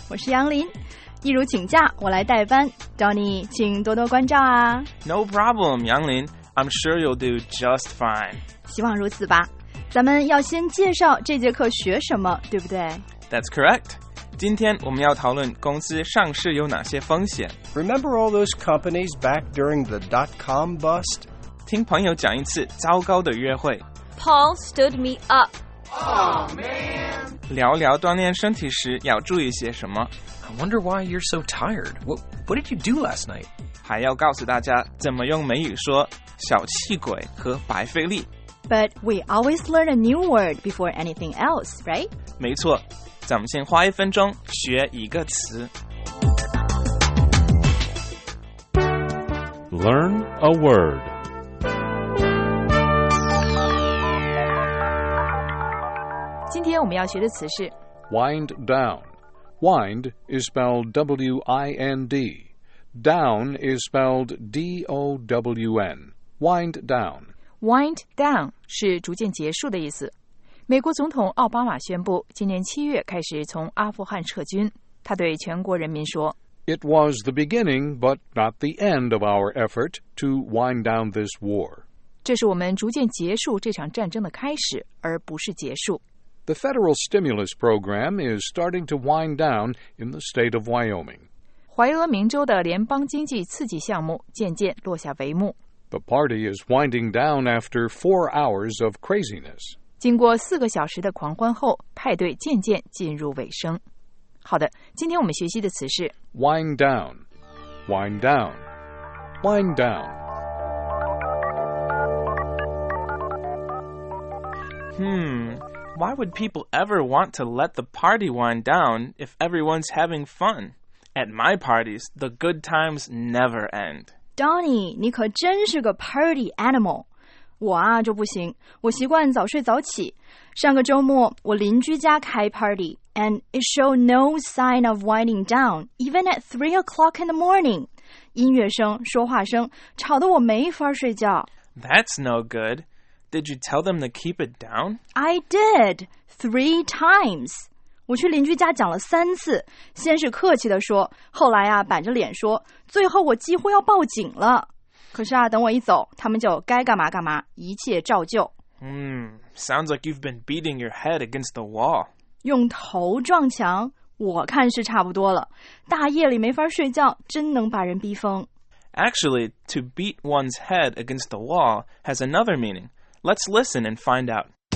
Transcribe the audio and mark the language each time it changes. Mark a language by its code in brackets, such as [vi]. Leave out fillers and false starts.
[zh] 我是杨林。一如请假，我来代班， Donny 请多多关照啊。 [en] No problem， 杨林， I'm sure you'll do just fine。 [zh] 希望如此吧。咱们要先介绍这节课学什么，对不对？ [en] That's correct。 [zh] 今天我们要讨论公司上市有哪些风险。 [en] Remember all those companies back during the dot-com bust? [zh] 听朋友讲一次糟糕的约会。 [en] Paul stood me up. Oh man. [zh] 聊聊锻炼身体时要注意些什么。 [en] I wonder why you're so tired. What did you do last night? [zh] 还要告诉大家怎么用美语说小气鬼和白费力。 [en] But we always learn a new word before anything else, right? [zh] 没错，咱们先花一分钟学一个词。 [en] Learn a word. [zh] 今天我们要学的词是 [en] wind down. Wind is spelled W-I-N-D. Down is spelled D-O-W-N. Wind down. [zh] Wind down 是逐渐结束的意思。美国总统奥巴马宣布今年七月开始从阿富汗撤军。他对全国人民说 [en] It was the beginning but not the end of our effort to wind down this war. [zh] 这是我们逐渐结束这场战争的开始而不是结束。 [en] The federal stimulus program is starting to wind down in the state of Wyoming. [zh] 怀俄明州的联邦经济刺激项目渐渐落下帷幕。 [en] The party is winding down after 4 hours of craziness. [zh] 经过四个小时的狂欢后，派对渐渐进入尾声。好的，今天我们学习的词是 [en] wind down, wind down, wind down. Why would people ever want to let the party wind down if everyone's having fun? At my parties, the good times never end. [zh] Donny, 你可真是个 party animal. 我啊就不行，我习惯早睡早起。上个周末，我邻居家开 [en] party, and it showed no sign of winding down, even at 3 o'clock in the morning. [zh] 音乐声、说话声吵得我没法睡觉。 [en] That's no good. Did you tell them to keep it down? I did, 3 times. [zh] 我去邻居家讲了三次，先是客气地说，后来啊，板着脸说，最后我几乎要报警了。可是啊，等我一走，他们就该干嘛干嘛，一切照旧。 [en] Sounds like you've been beating your head against the wall. [zh] 用头撞墙，我看是差不多了。大夜里没法睡觉，真能把人逼疯。 [en] Actually, to beat one's head against the wall has another meaning. Let's listen and find out.